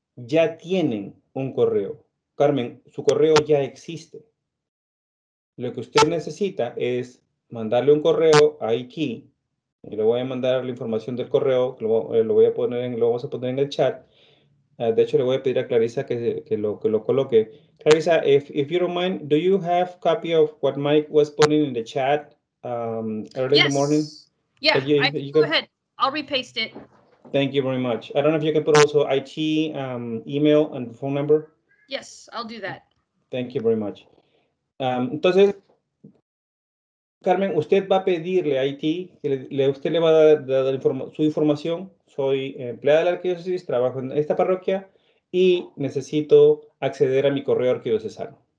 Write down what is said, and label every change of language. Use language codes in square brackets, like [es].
[es] ya tienen un correo. Carmen, su correo ya existe. Lo que usted necesita es mandarle un correo a Iki. Y le voy a mandar la información del correo, lo voy a poner en, lo vamos a poner en el chat. De hecho, le voy a pedir a Clarisa que lo coloque. [en] Clarisa, if you don't mind, do you have copy of what Mike was putting in the chat early yes. in the morning? Yeah, go ahead. I'll repaste it. Thank you very much. I don't know if you can put also IT email and phone number. Yes, I'll do that. Thank you very much. [es] Entonces, Carmen, usted va a pedirle a IT, que usted le va a dar su información. Soy empleada de la arquidiócesis, trabajo en esta parroquia y necesito acceder a mi correo arquidiocesano.